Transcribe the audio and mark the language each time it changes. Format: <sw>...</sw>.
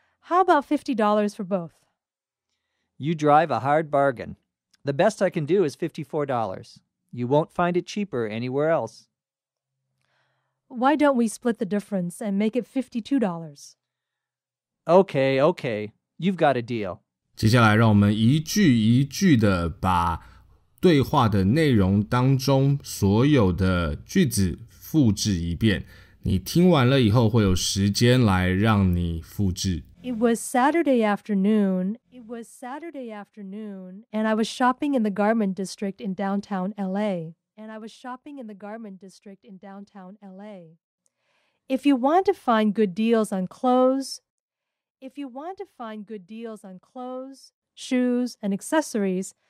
<en>How about $50 for both? You drive a hard bargain. The best I can do is $54. You won't find it cheaper anywhere else. Why don't we split the difference and make it $52? Okay, okay. You've got a deal.</en> <zh>接下来让我们一句一句的把对话的内容当中所有的句子复制一遍，你听完了以后会有时间来让你复制。</zh> <en>It was Saturday afternoon. It was Saturday afternoon, and I was shopping in the garment district in downtown LA. And I was shopping in the garment district in downtown LA. If you want to find good deals on clothes, if you want to find good deals on clothes, shoes, and accessories.</en>